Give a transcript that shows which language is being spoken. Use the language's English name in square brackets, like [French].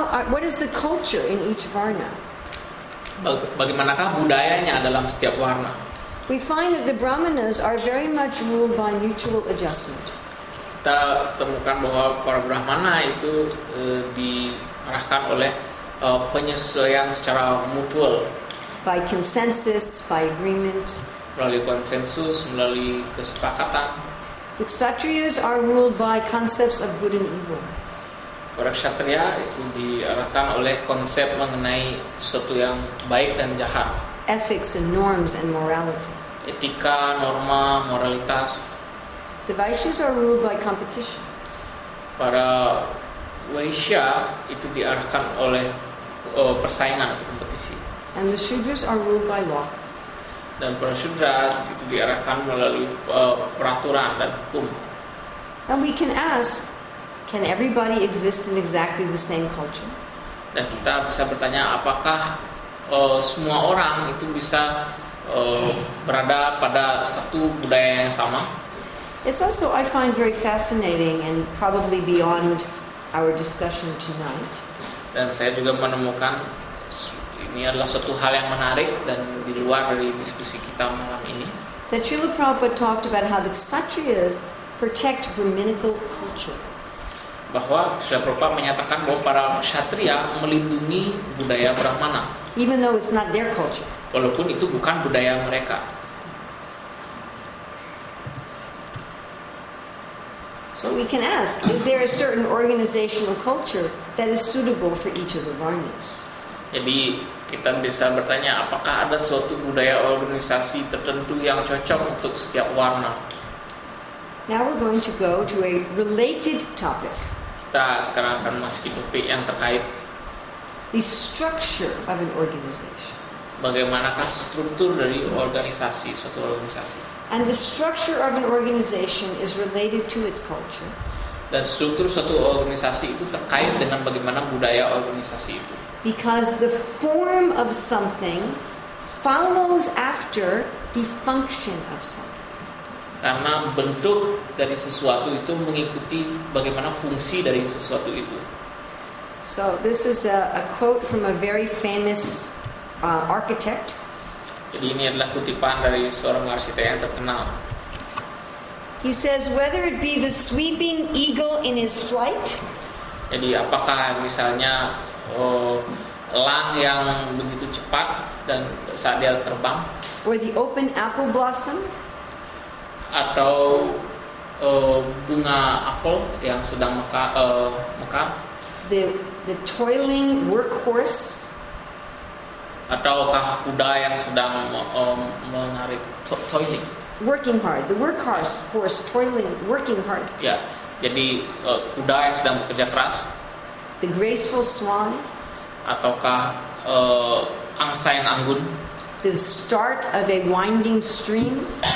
[English] What is the culture in each varna? [Indonesian] Bagaimanakah budayanya dalam setiap varna? [English] We find that the brahmanas are very much ruled by mutual adjustment. [Indonesian] Kita temukan bahwa para brahmana itu diarahkan oleh penyesuaian secara mutual. [English] By consensus, by agreement. [Indonesian] Melalui konsensus, melalui kesepakatan. [English] The kshatriyas are ruled by concepts of good and evil. [Indonesian] Para kshatriya itu diarahkan oleh konsep mengenai sesuatu yang baik dan jahat. [English] Ethics and norms and morality. [Indonesian] Etika, norma, moralitas. [English] The Vaishyas are ruled by competition. [Indonesian] Para Vaishya itu diarahkan oleh persaingan atau kompetisi. [English] And the Shudras are ruled by law. [Indonesian] Dan para Shudra itu diarahkan melalui peraturan dan hukum. [English] And we can ask, can everybody exist in exactly the same culture? [Indonesian] Dan kita bisa bertanya, apakah semua orang itu bisa berada pada satu budaya yang sama? [English] It's also I find very fascinating and probably beyond our discussion tonight. [Indonesian] Dan saya juga menemukan ini adalah suatu hal yang menarik dan di luar dari diskusi kita malam ini. [English] That Srila Prabhupada talked about how the kshatriyas protect brahminical culture. [Indonesian] Bahwa Srila Prabhupada menyatakan bahwa para kshatriya melindungi budaya brahmana. [English] Even though it's not their culture. [Indonesian] Walaupun itu bukan budaya mereka. [English] So we can ask, is there a certain organizational culture that is suitable for each of the varnas? [Indonesian] Jadi kita bisa bertanya, apakah ada suatu budaya organisasi tertentu yang cocok untuk setiap warna? [English] Now we're going to go to a related topic. [Indonesian] Kita sekarang akan masuk ke topik yang terkait. [English] The structure of an organization. [Indonesian] Bagaimanakah struktur dari organisasi, suatu organisasi? [English] And the structure of an organization is related to its culture. [Indonesian] Dan struktur suatu organisasi itu terkait dengan bagaimana budaya organisasi itu. [English] Because the form of something follows after the function of something. [Indonesian] Karena bentuk dari sesuatu itu mengikuti bagaimana fungsi dari sesuatu itu. [English] So this is a quote from a very famous architect. [Indonesian] Jadi ini adalah kutipan dari seorang arsitek yang terkenal. [English] He says, whether it be the sweeping eagle in his flight. [Indonesian] Jadi apakah misalnya elang yang begitu cepat dan saat dia terbang? [English] Or the open apple blossom. [Indonesian] Atau bunga apel yang sedang mekar. [English] The toiling workhorse. [Indonesian] Ataukah kuda yang sedang menarik toiling? [English] Working hard, the workhorse, horse toiling, working hard. [Indonesian] Ya, yeah. Jadi kuda yang sedang bekerja keras. [English] The graceful swan. [Indonesian] Ataukah angsa yang anggun? [English] The start of a winding stream.